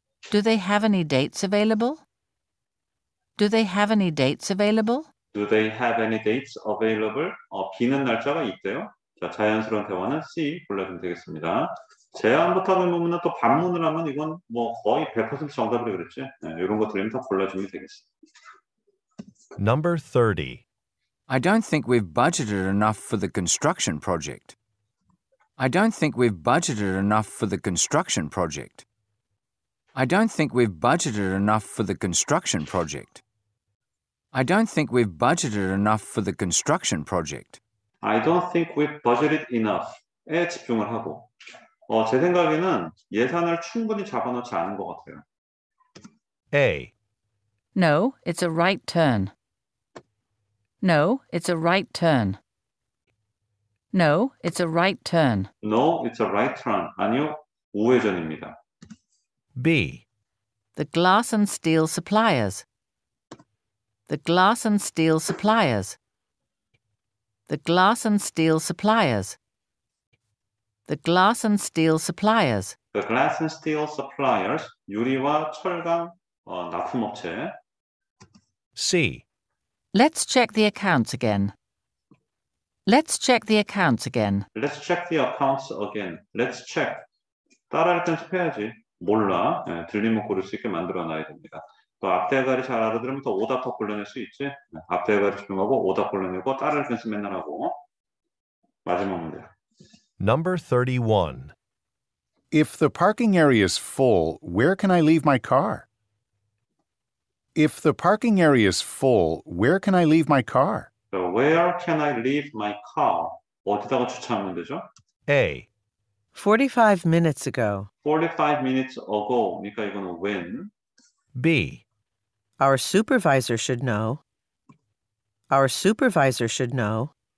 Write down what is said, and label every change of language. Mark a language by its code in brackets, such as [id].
[en] Do they have any dates available? Do they have any dates available? Do they have any dates available? [ko] 비는 날짜가 있대요. 자, 자연스러운 대화는 C 골라주면 되겠습니다. 제안부터 하는 부분은 또 반문을 하면 이건 뭐 거의 100% 정답이라 그랬지. 네, 이런 거 들으면 다 골라주면 되겠습니다. [en] Number 30. I don't think we've budgeted enough for the construction project. I don't think we've budgeted enough for the construction project. I don't think we've budgeted enough for the construction project. I don't think we've budgeted enough for the construction project. I don't think we've budgeted enough [ko] 에 집중을 하고. 제 생각에는 예산을 충분히 잡아놓지 않은 것 같아요. [en] A. No, it's a right turn. No, it's a right turn. No, it's a right turn. No, it's a right turn. [ko] 아니요, 우회전입니다. [en] B. The glass and steel suppliers. The glass and steel suppliers. The glass and steel suppliers. The glass and steel suppliers. The glass and steel suppliers. [ko] 유리와 철강 납품업체. [en] C. Let's check the accounts again. Let's check the accounts again. Let's check the accounts again. Let's check. [ko] 따라할 땐 스펙이지. 몰라. 네, 들리면 고를 수 있게 만들어놔야 됩니다. 앞대 대가리 잘 알아들으면 더 오답 더 골라낼 수 있지. 앞대 대가리 집중하고 오답 골라내고 따를 연습 맨날 하고 마지막 문제. [en] Number 31. If the parking area is full, where can I leave my car? If the parking area is full, where can I leave my car? So where can I leave my car? [ko] 어디다가 주차하면 되죠? [en] A. 45 minutes ago. 45 minutes ago. [ko] 그러니까 이거는 [en] when. B. Our supervisor should know. Our supervisor should know.